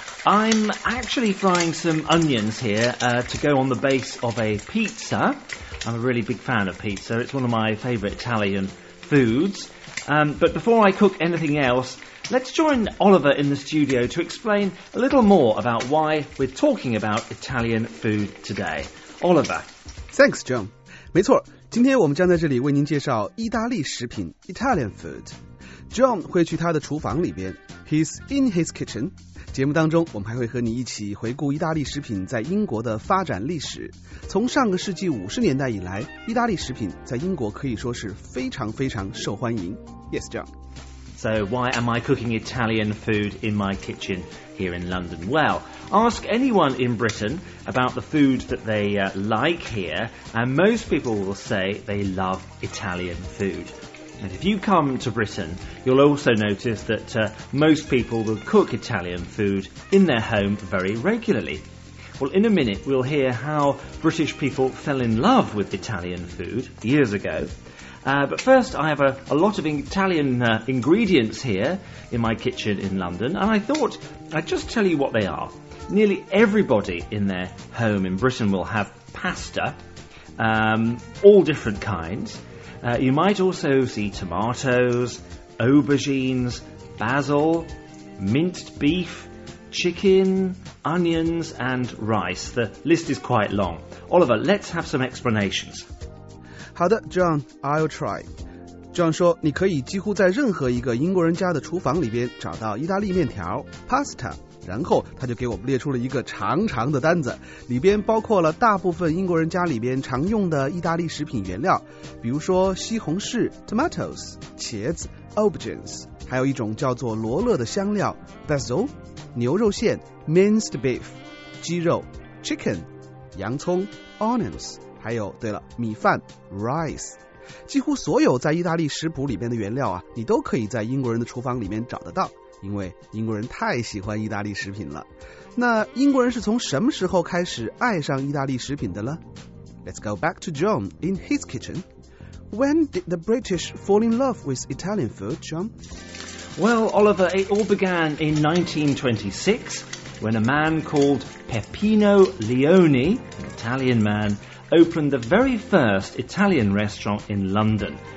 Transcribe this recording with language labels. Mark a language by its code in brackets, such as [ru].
[en] I'm actually frying some onions here to go on the base of a pizza. I'm a really big fan of pizza. It's one of my favourite Italian foods. But before I cook anything else, let's join Oliver in the studio to explain a little more about why we're talking about Italian food today. Oliver. Thanks, John. [zh] 没错，今天我们将在这里为您介绍意大利食品 [en] Italian food。 [zh] John 会去他的厨房里边 ， [en] He's in his kitchen。 [zh] 节目当中，我们还会和你一起回顾意大利食品在英国的发展历史。从上个世纪50年代以来，意大利食品在英国可以说是非常非常受欢迎。 [en] Yes, John. So why am I cooking Italian food in my kitchen here in London? Well, ask anyone in Britain about the food that they like here, and most people will say they love Italian food. And if you come to Britain, you'll also notice that most people will cook Italian food in their home very regularly. Well, in a minute, we'll hear how British people fell in love with Italian food years ago. But first, I have a lot of Italian ingredients here in my kitchen in London, and I thought I'd just tell you what they are. Nearly everybody in their home in Britain will have pasta, all different kinds. You might also see tomatoes, aubergines, basil, minced beef, chicken, onions and rice. The list is quite long. Oliver, let's have some explanations. [zh] 好的 [en] ,John, I'll try. [zh] John 说你可以几乎在任何一个英国人家的厨房里边找到意大利面条 ,pasta。然后他就给我们列出了一个长长的单子，里边包括了大部分英国人家里边常用的意大利食品原料，比如说西红柿 tomatoes 茄子 aubergines， 还有一种叫做罗勒的香料 basil， 牛肉馅 minced beef 鸡肉 chicken 洋葱 onions， 还有对了米饭 rice。几乎所有在意大利食谱里边的原料啊，你都可以在英国人的厨房里面找得到。因为英国人太喜欢意大利食品了。那英国人是从什么时候开始爱上意大利食品的呢？ [en] Let's go back to John in his kitchen. When did the British fall in love with Italian food, John? Well, Oliver, it all began in 1926 when a man called Peppino Leoni, an Italian man, opened the very first Italian restaurant in London.